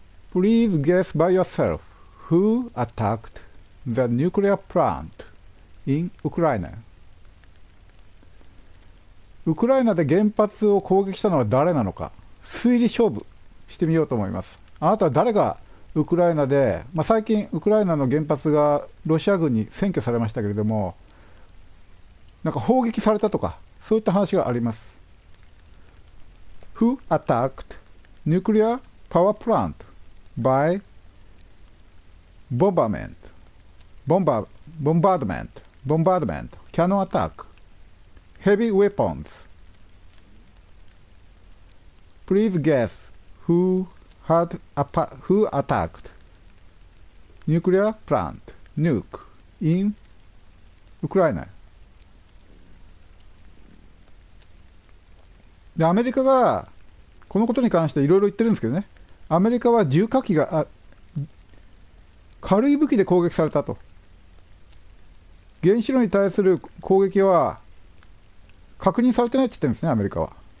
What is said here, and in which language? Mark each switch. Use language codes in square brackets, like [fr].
[en] Please guess by yourself who attacked the nuclear plant in Ukraine? [ja] ウクライナで原発を攻撃したのは誰なのか、推理勝負してみようと思います。あなたは誰がウクライナで、まあ、最近ウクライナの原発がロシア軍に占拠されましたけれども、なんか砲撃されたとか、そういった話があります。 [en] Who attacked nuclear power plant by bombardment? Bombardment, bombardment, cannon attack. Heavy weapons. Please guess who had who attacked nuclear plant Nuke in Ukraine. [ja] でアメリカがこのことに関していろいろ言ってるんですけどね。アメリカは重火器が軽い武器で攻撃されたと。原子炉に対する攻撃は確認されてないって言ってるんですね、アメリカは。